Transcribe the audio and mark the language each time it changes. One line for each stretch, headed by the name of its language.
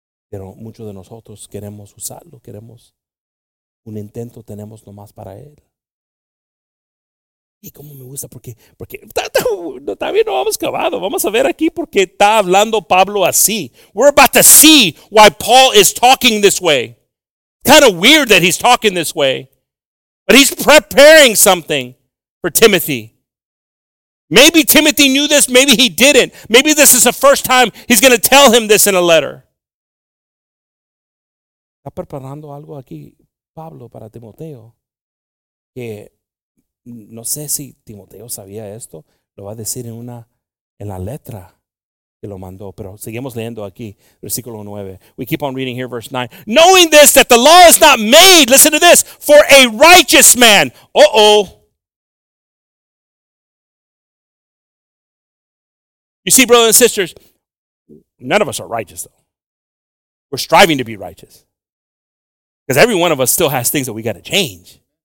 Spanish: Pero muchos de nosotros queremos usarlo, queremos un intento, tenemos nomás para él. Y cómo me gusta, porque todavía no hemos acabado. Vamos a ver aquí porque está hablando Pablo así.
English: We're about to see why Paul is talking this way. Kind of weird that he's talking this way, but he's preparing something for Timothy. Maybe Timothy knew this, maybe he didn't. Maybe this is the first time he's going to tell him this in a letter.
Spanish: Está preparando algo aquí, Pablo, para Timoteo. Que no sé si Timoteo sabía esto, lo va a decir en la letra. Que lo mandó, pero seguimos leyendo aquí, versículo 9.
English: We keep on reading here, verse 9. Knowing this, that the law is not made, listen to this, for a righteous man. Uh-oh. You see, brothers and sisters, none of us are righteous, though. We're striving to be righteous. Because every one of us still has things that we got to change.